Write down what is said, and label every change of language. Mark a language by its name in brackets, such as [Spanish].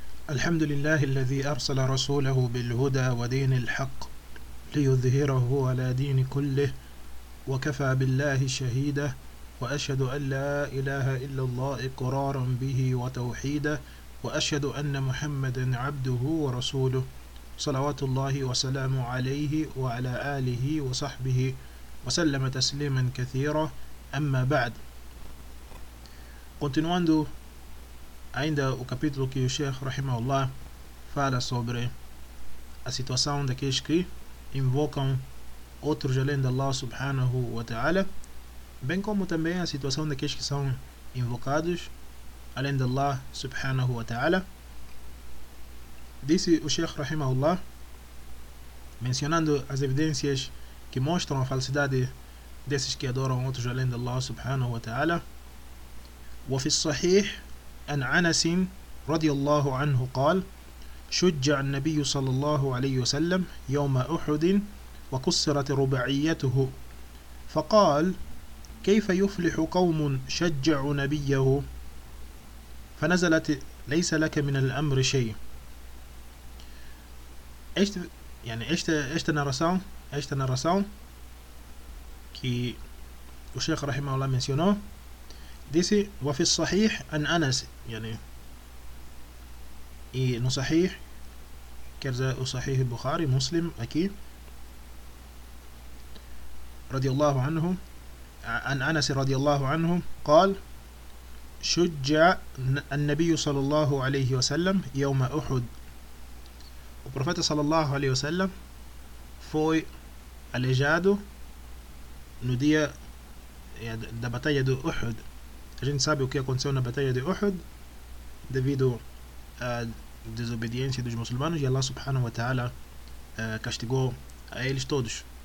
[Arabic] الحمد لله الذي أرسل رسوله بالهدى ودين الحق ليظهره على دين كله، وكفى بالله شهيدا، وأشهد أن لا إله إلا الله إقرارا به وتوحيدا، وأشهد أن محمدا عبده ورسوله، صلوات الله وسلامه عليه وعلى آله وصحبه وسلم تسليما كثيرا. أما بعد، [Portuguese] continuando ainda o capítulo que o Sheikh Rahimahullah fala sobre a situação daqueles que invocam outros além de Allah subhanahu wa ta'ala, bem como também a situação daqueles que são invocados além de Allah subhanahu wa ta'ala, disse o Sheikh Rahimahullah, mencionando as evidências que mostram a falsidade desses que adoram outros além de Allah subhanahu wa ta'ala: [Arabic] وفي الصحيح أن أنس رضي الله عنه قال شجع النبي صلى الله عليه وسلم يوم أحد وكسرت رباعيته فقال كيف يفلح قوم شجعوا نبيه فنزلت ليس لك من الأمر شيء. إيش تنا رسام كي الشيخ رحمه الله منسيونه [Portuguese] disse, [Arabic] وَفِي الصَّحِيح أَنْ أَنَسْ يعني, [Portuguese] e no [Arabic] صحيح [Portuguese] quer dizer o [Arabic] صحيح Bukhari, Muslim, [Portuguese] aqui [Arabic] رضي الله عنه أن أنس رضي الله عنه قال شجع النبي صلى الله عليه وسلم يوم أحد. [Portuguese] O profeta [Arabic] صلى الله عليه وسلم [Portuguese] foi aleijado no dia da batalha do Uhud. A gente sabe o que aconteceu na batalha de Uhud devido à desobediência dos muçulmanos, e Allah subhanahu wa ta'ala castigou a eles todos.